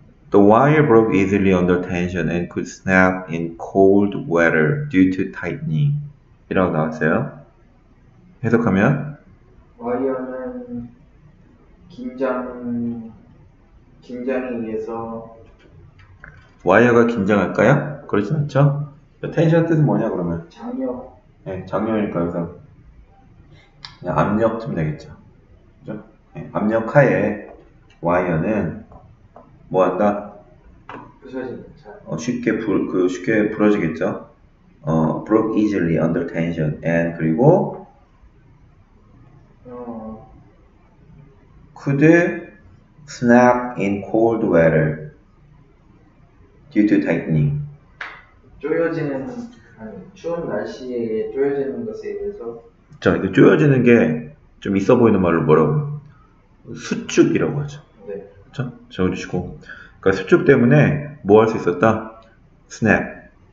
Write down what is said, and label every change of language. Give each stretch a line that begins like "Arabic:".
English: The wire broke easily under tension and could snap in cold weather due to tightening.
Korean: 이라고 나왔어요. 해석하면 와이어는 긴장에 의해서. 와이어가 긴장할까요? 그렇진 않죠. 텐션 뜻은 뭐냐 그러면? 장력. 네, 장력이니까 여기서 그냥 압력쯤 되겠죠. 그죠? 네, 압력 하에 와이어는 뭐 한다? 부서지는. 쉽게 부러지겠죠.
English: broke easily under tension and
Korean: 그리고
English: could snap in cold weather due to tightening.
Korean: 조여지는, 아니, 추운 날씨에 조여지는 것에 대해서. 자, 이거 조여지는 게 좀 있어 보이는 말로 뭐라고? 수축이라고 하죠. 네. 자, 적어주시고. 그러니까 수축 때문에 뭐 할 수 있었다?
English: snap.